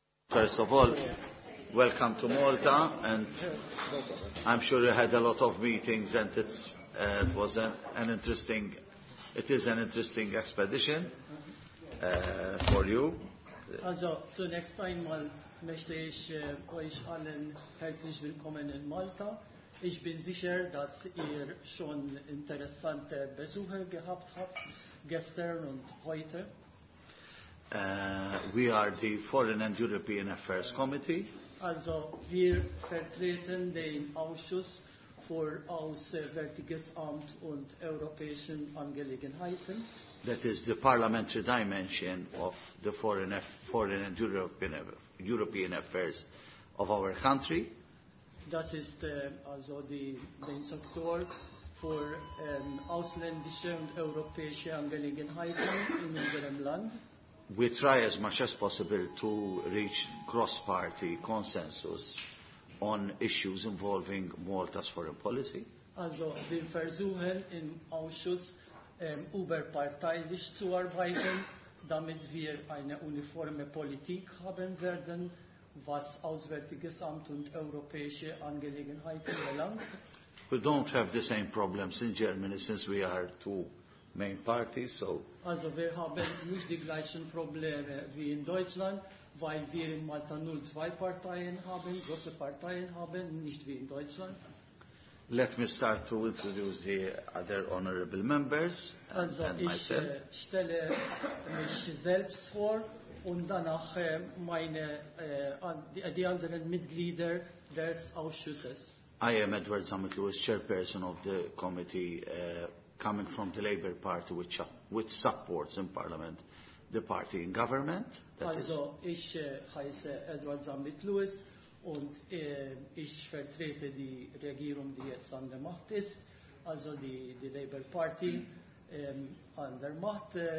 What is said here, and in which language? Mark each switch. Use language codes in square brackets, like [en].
[en] First of all, welcome to Malta, and I'm sure you had a lot of meetings, and it is an interesting expedition for you. [de] Also, zunächst einmal möchte ich euch allen herzlich willkommen in Malta. Ich bin sicher, dass ihr schon interessante Besuche gehabt habt, gestern und heute. [en] We are the Foreign and European Affairs Committee. [de] Also, wir vertreten den Ausschuss für Auswärtiges Amt und Europäische Angelegenheiten. [en] That is the parliamentary dimension of the foreign and European affairs of our country. [de] Das ist also den Sektor für ausländische und europäische Angelegenheiten in unserem Land. [en] We try as much as possible to reach cross-party consensus on issues involving Malta's foreign policy. [de] Also, wir versuchen im Ausschuss überparteilich zu arbeiten, damit wir eine uniforme Politik haben werden, was Auswärtiges Amt und europäische Angelegenheiten belangt. [en] We don't have the same problems in Germany, since we are two main parties, so. [de] Also, wir haben nicht die gleichen Probleme wie in Deutschland, weil wir in Malta nur zwei Parteien haben, große Parteien haben, nicht wie in Deutschland. [en] Let me start to introduce the other honorable members also and myself. [de] Also, ich stelle mich selbst vor und danach die anderen Mitglieder des Ausschusses. [en] I am Edward Zammit-Lewis, chairperson of the committee, coming from the Labour Party, which supports in Parliament the party in government. [de] Also, ich heiße Edward Zammit-Lewis und ich vertrete die Regierung, die jetzt an der Macht ist, also die Labour Party an der Macht.